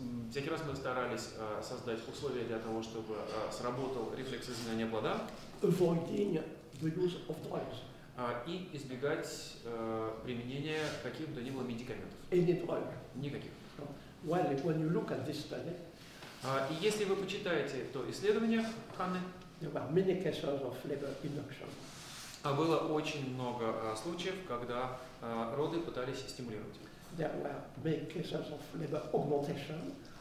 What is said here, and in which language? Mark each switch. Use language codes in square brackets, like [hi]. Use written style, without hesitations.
[ru] Всякий раз мы старались создать условия для того, чтобы сработал рефлекс изменения плода. [en] Avoiding the use of drugs. [ru] И избегать применения каких бы то ни было медикаментов. [en] Any drug. [ru] Никаких. [en] Well, when you look at this study, [ru] и если вы почитаете то исследование Ханны, [en] there were many cases of labor induction. [ru] Было очень много случаев, когда роды пытались стимулировать. [en] There were many cases of labor augmentation.